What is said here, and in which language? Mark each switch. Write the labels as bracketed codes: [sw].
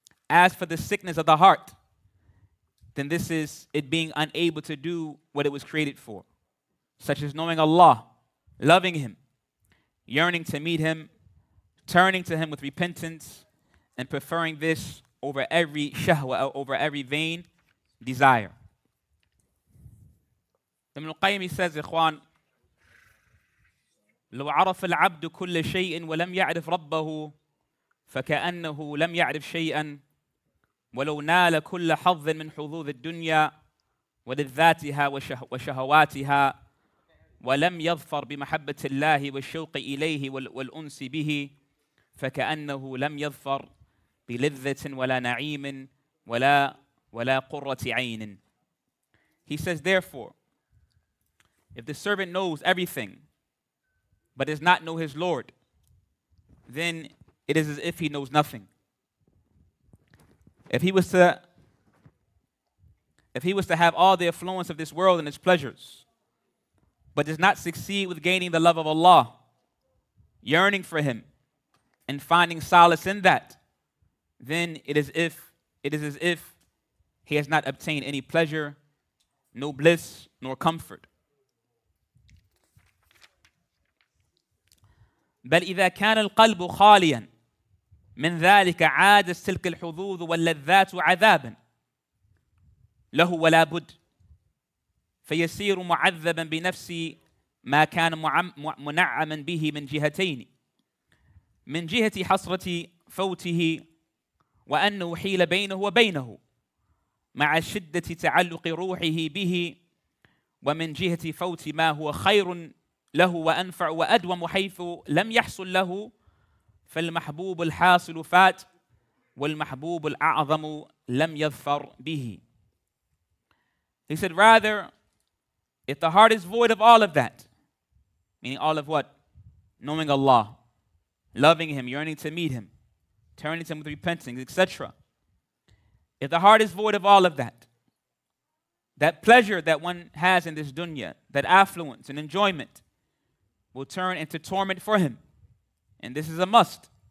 [en] As for the sickness of the heart, then this is it being unable to do what it was created for, such as knowing Allah, loving Him, yearning to meet Him, turning to Him with repentance, and preferring this over every shahwa, over every vain desire. Ibn al-Qayyim says, [ar] Ikhwan, لو عرف العبد كل شيء ولم يعرف ربه فكأنه لم يعرف شيئا ولو نال كل حظ من حظوظ الدنيا ولذاتها وشهواتها ولم يظفر بمحبة الله والشوق إليه والأنس به فكأنه لم يظفر بلذة ولا نعيم ولا قرة عين. [en] He says, therefore, if the servant knows everything but does not know his Lord, then it is as if he knows nothing. If he was to have all the affluence of this world and its pleasures, but does not succeed with gaining the love of Allah, yearning for Him, and finding solace in that, then it is as if he has not obtained any pleasure, no bliss, nor comfort. [ar] بل إذا كان القلب خاليا من ذلك عاد تلك الحظوظ واللذات عذابا له ولا بد فيسير معذبا بنفس ما كان منعما به من جهتين من جهة حصرة فوته وأنه حيل بينه وبينه مع شدة تعلق روحه به ومن جهة فوت ما هو خير له وأنفع وأدوم حيث لم يحصل له فالمحبوب الحاصل فات والمحبوب الأعظم لم يظفر به. [en] He said, rather, if the heart is void of all of that, meaning all of what? Knowing Allah, loving Him, yearning to meet Him, turning to Him with repentance, etc. If the heart is void of all of that, that pleasure that one has in this dunya, that affluence and enjoyment, will turn into torment for him. And this is a must.